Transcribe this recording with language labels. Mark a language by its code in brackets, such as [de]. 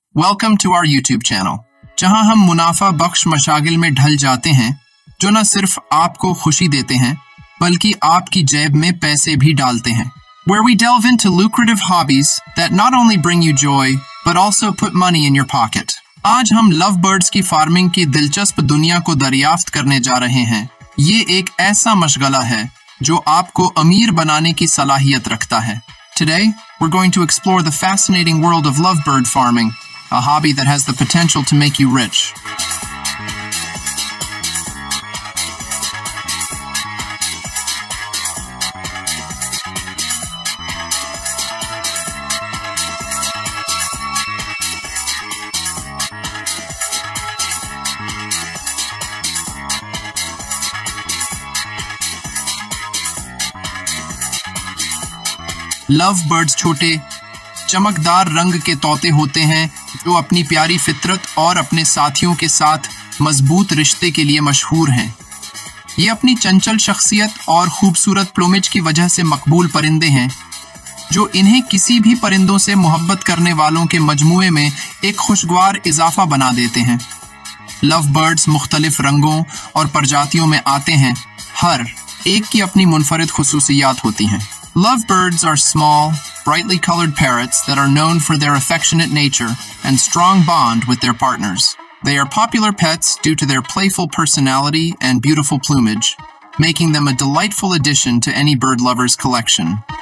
[hi] Welcome to our YouTube channel, जहां हम मुनाफा बख्श मशागिल में ढल जाते हैं जो न सिर्फ आपको खुशी देते हैं बल्कि आपकी जेब में पैसे भी डालते हैं। [en] Where we delve into lucrative hobbies that not only bring you joy but also put money in your pocket. [hi] आज हम lovebirds की फार्मिंग की दिलचस्प दुनिया को दरियाफ्त करने जा रहे हैं। ये एक ऐसा मशगला है जो आपको अमीर बनाने की सलाहियत रखता है। [en] Today we're going to explore the fascinating world of lovebird farming, a hobby that has the potential to make you rich. [hi] Love birds छोटे चमकदार रंग के तोते होते हैं जो अपनी प्यारी फितरत और अपने साथियों के साथ मजबूत रिश्ते के लिए मशहूर हैं। ये अपनी चंचल शख्सियत और खूबसूरत प्लूमेज की वजह से मकबूल परिंदे हैं, जो इन्हें किसी भी परिंदों से मोहब्बत करने वालों के मजमुए में एक खुशगवार इजाफा बना देते हैं। लव बर्ड्स मुख्तलिफ रंगों और प्रजातियों में आते हैं, हर एक की अपनी मुनफरद खसूसियात होती हैं। [en] Lovebirds are small, brightly colored parrots that are known for their affectionate nature and strong bond with their partners. They are popular pets due to their playful personality and beautiful plumage, making them a delightful addition to any bird lover's collection.